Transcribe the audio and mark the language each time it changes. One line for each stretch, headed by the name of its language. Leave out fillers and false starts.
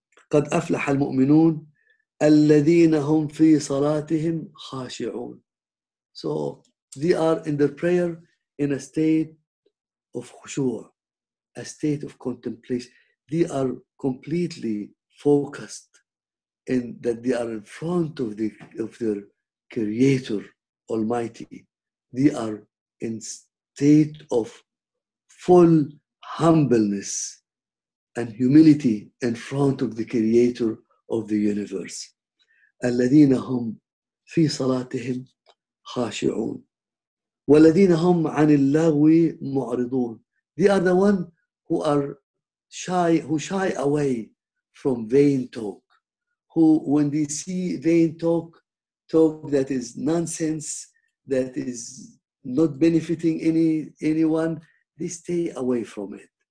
Arabic: قَدْ أَفْلَحَ الْمُؤْمِنُونَ الذين هم في صلاتهم خاشعون.
English: So they are in their prayer in a state of خشوع, a state of contemplation. They are completely focused in that they are in front of the of their Creator Almighty. They are in state of full humbleness and humility in front of the Creator of the universe.
Arabic: الذين هم في صلاتهم خاشعون والذين هم عن اللغو معرضون.
English: They are the one who are shy, who shy away from vain talk, who when they see vain talk, talk that is nonsense, that is not benefiting anyone, they stay away from it.